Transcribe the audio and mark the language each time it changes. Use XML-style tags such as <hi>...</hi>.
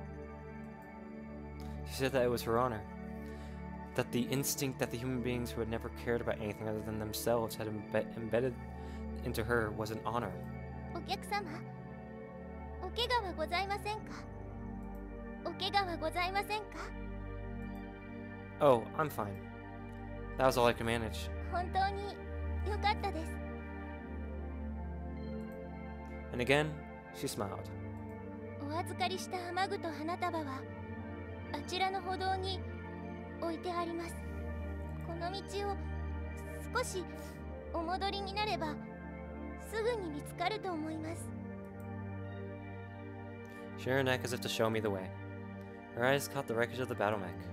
<en>Right。</en> <ja>人間に危害が及ぶのを看過してはならない。私たちはロボットです。ですからこれは忘れることのできない。これを守ることが私たちロボットの誇りです。</ja> <en>She said that it was her honor. That the instinct that the human beings who had never cared about anything other than themselves had embedded into her was an honor.</en> <ja>お客様? お怪我はございませんか?お怪我はございませんか?</ja> <en>Oh, I'm fine. That was all I could manage.</en> <ja>本当に良かったです。</ja> <en>And again, she smiled.</en> <ja>お預かりした雨具と花束はあちらの歩道に置いてあります。この道を少しお戻りになればすぐに見つかると思います。</ja> <en>She turned her neck as if to show me the way. Her eyes caught the wreckage of the battle mech.</en>